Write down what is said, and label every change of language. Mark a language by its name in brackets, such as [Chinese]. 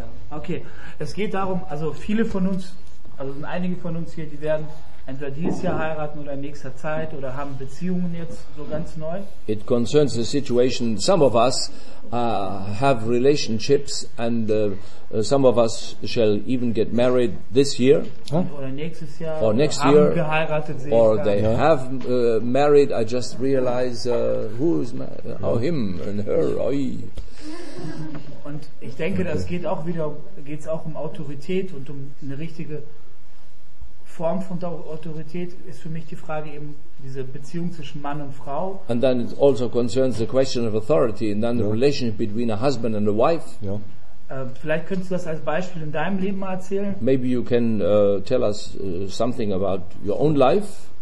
[German] Okay, es geht darum, also viele von uns, also sind einige von uns hier, die werden entweder dieses Jahr heiraten oder in nächster Zeit oder haben Beziehungen jetzt so ganz neu. [English] It concerns the situation, some of us have relationships and some of us shall even get married this year [German] Oder nächstes Jahr, [English] or next year, [German] haben geheiratet, sehe [English] or [German] ich [English] they [German] gar nicht. [English] Have married, I just realize who is or him and her. [German] Und ich denke, das geht auch wieder, geht es auch um Autorität und um eine richtige Form von Autorität ist für mich die Frage eben diese Beziehung zwischen Mann und Frau. [English] And then it also concerns the question of authority and then the relationship between a husband and a wife. [German] Vielleicht könntest du das als Beispiel in deinem Leben mal erzählen. [English] Maybe you can tell us something about your own life.